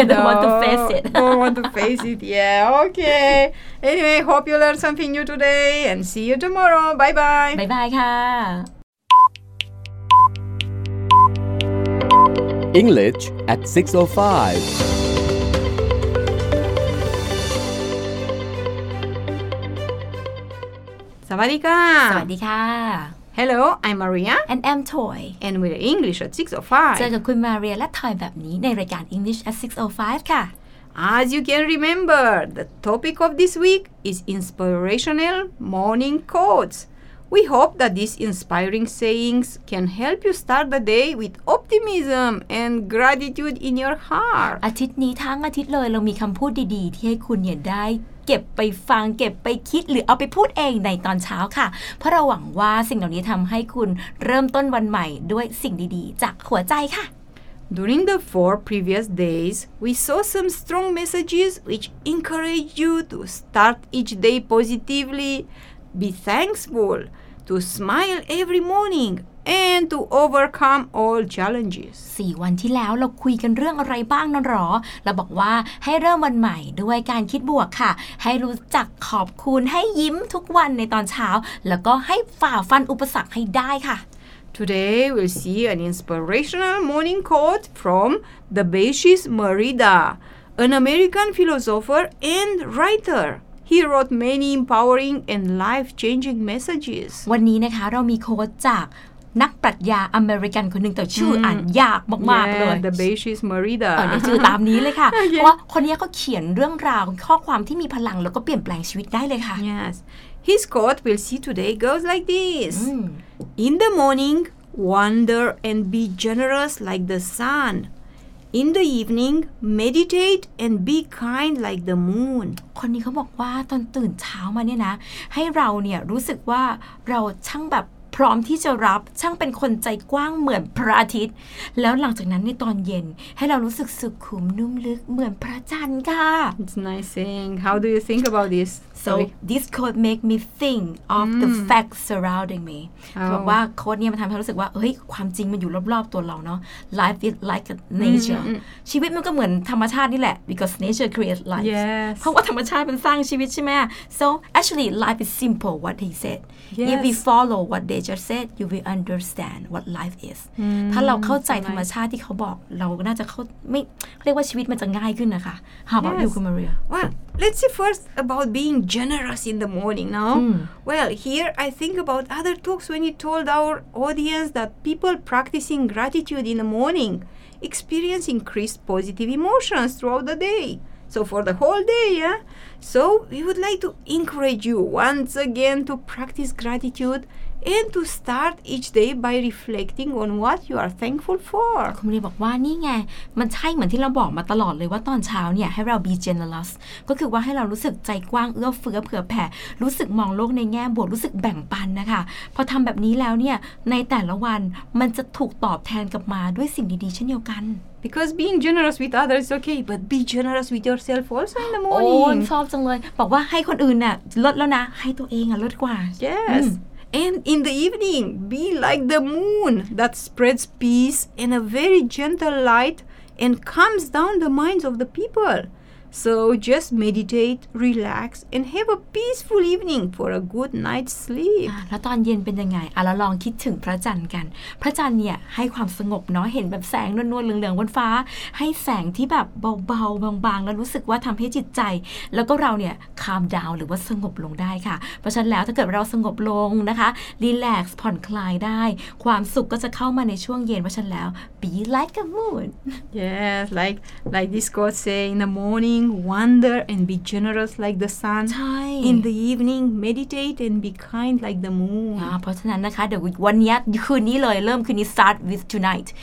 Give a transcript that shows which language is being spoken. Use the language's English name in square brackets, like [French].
[English] no, Don't want to face it Don't want to face it Yeah, okay Anyway, hope you learned something new today and see you tomorrow Bye bye Bye bye ค่ะEnglish at 6:05 [Thai] สวัสดีค่ะ สวัสดีค่ะ [English] Hello, I'm Maria and I'm Toy and we're English at 6:05 [Thai] เจอกับคุณมาเรียและทอยแบบนี้ในรายการ English at 6:05ค่ะ [English] As you can remember, the topic of this week is inspirational morning quotes. We hope that these inspiring sayings can help you start the day with optimism and gratitude in your heart. [Thai] อาทิตย์นี้ทั้งอาทิตย์เลยเรามีคำพูดดีๆที่ให้คุณเนี่ยได้เก็บไปฟังเก็บไปคิดหรือเอาไปพูดเองในตอนเช้าค่ะเพราะเราหวังว่าสิ่งเหล่านี้ทำให้คุณเริ่มต้นวันใหม่ด้วยสิ่งดีๆจากหัวใจค่ะ [English] During the four previous days, we saw some strong messages which encourage you to start each day positively, be thankful. To smile every morning and to overcome all challenges. [Thai] 4 วันที่แล้วเราคุยกันเรื่องอะไรบ้างนั่นหรอเราบอกว่าให้เริ่มวันใหม่ด้วยการคิดบวกค่ะให้รู้จักขอบคุณให้ยิ้มทุกวันในตอนเช้าแล้วก็ให้ฝ่าฟันอุปสรรคให้ได้ค่ะ [English] Today we'll see an inspirational morning quote from The Beatrice Merida, an American philosopher and writer. He wrote many empowering and life-changing messages. [Thai] วันนี้นะคะเรามีโค้ดจาก นักปรัชญาอเมริกันคนหนึ่งแต่ชื่ออ่านยากมากๆ [English] yeah, [Thai] เลย [English] The Beaches Merida [Thai] ชื่อตามนี้เลยค่ะ เพราะว่าคนนี้ก็เขียนเรื่องราวข้อความที่มีพลังแล้วก็เปลี่ยนแปลงชีวิตได้เลยค่ะ [English] Yes His quote we'll see today goes like this In the morning wonder and be generous like the sunIn the evening, meditate and be kind like the moon. [Thai] คนนี้เขาบอกว่าตอนตื่นเช้ามาเนี่ยนะให้เราเนี่ยรู้สึกว่าเราช่างแบบพร้อมที่จะรับช่างเป็นคนใจกว้างเหมือนพระอาทิตย์แล้วหลังจากนั้นในตอนเย็นให้เรารู้สึกสุขุมนุ่มลึกเหมือนพระจันทร์ค่ะ [English] It's nice saying. How do you think about this? So this quote make me think of the facts surrounding me. [Thai] บอกว่าโค้ดเนี่ยมันทำให้รู้สึกว่าเฮ้ยความจริงมันอยู่รอบๆตัวเราเนาะ [English] Life is like nature. [Thai] ชีวิตมันก็เหมือนธรรมชาตินี่แหละ [English] Because nature creates life. Yes. [Thai] เพราะว่าธรรมชาติมันสร้างชีวิตใช่ไหม [English] So actually life is simple what he said. Yes. If we follow what they just said you will understand what life is. [Thai] ถ้าเราเข้าใจ ธรรมชาติที่เขาบอกเราน่าจะเข้าไม่เรียกว่าชีวิตมันจะง่ายขึ้นนะคะ [English] How about you, Maria? Well, let's see first about beingGenerous in the morning, no? Well, here I think about other talks when you told our audience that people practicing gratitude in the morning experience increased positive emotions throughout the day. So for the whole day, yeah? So we would like to encourage you once again to practice gratitude and to start each day by reflecting on what you are thankful for. [Thai] คุณเรียบอกว่านี่ไงมันใช่เหมือนที่เราบอกมาตลอดเลยว่าตอนเช้าเนี่ยให้เรา be generous ก็คือว่าให้เรารู้สึกใจกว้างเอื้อเฟื้อเผื่อแผ่รู้สึกมองโลกในแง่บวกรู้สึกแบ่งปันนะคะพอทำแบบนี้แล้วเนี่ยในแต่ละวันมันจะถูกตอบแทนกลับมาด้วยสิ่งดีๆเช่นเดียวกัน [English] Because being generous with others is okay, but be generous with yourself also in the morning. [Thai] โอ้ชอบจังเลยบอกว่าให้คนอื่นน่ะลดแล้วนะให้ตัวเองอ่ะลดกว่า [English] Yes. And in the evening, be like the moon that spreads peace and a very gentle light and calms down the minds of the people. So just meditate, relax, and have a peaceful evening for a good night's sleep. [Thai] แล้วตอนเย็นเป็นยังไงเราลองคิดถึงพระจันทร์กันพระจันทร์เนี่ยให้ความสงบเนาะเห็นแบบแสงนวลๆเหลืองๆบนฟ้าให้แสงที่แบบเบาๆบางๆแล้วรู้สึกว่าทำให้จิตใจแล้วก็เราเนี่ย calm down หรือว่าสงบลงได้ค่ะเพราะฉะนั้นแล้วถ้าเกิดเราสงบลงนะคะ relax ผ่อนคลายได้ความสุขก็จะเข้ามาในช่วงเย็นเพราะฉะนั้นแล้ว [English] be like a moon. Yes, like this quote say in the morningWonder and be generous like the sun. In the evening, meditate and be kind like the moon. [Thai] เพราะฉะนั้นนะคะเดี๋ยววันนี้คืนนี้เลยเริ่มคืนนี้ [English] start with tonight.